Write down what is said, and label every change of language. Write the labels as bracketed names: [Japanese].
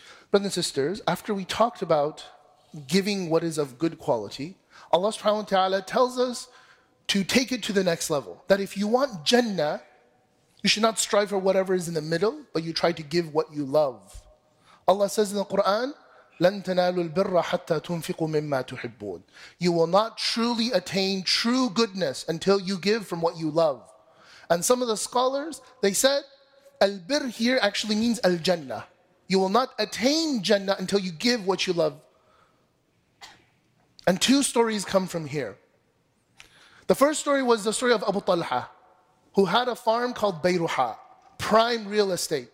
[English] Brothers and sisters, after we talked about giving what is of good quality, Allah subhanahu wa ta'ala tells us to take it to the next level. That if you want Jannah, you should not strive for whatever is in the middle, but you try to give what you love. Allah says in the Quran, [Arabic] لَن تَنَالُوا الْبِرَّ حَتَّى تُنْفِقُوا مِمَّا تُحِبُّونَ. [English] You will not truly attain true goodness until you give from what you love. And some of the scholars, they said, al-bir here actually means al-jannah. You will not attain jannah until you give what you love. And two stories come from here. The first story was the story of Abu Talha, who had a farm called Bayruha, prime real estate.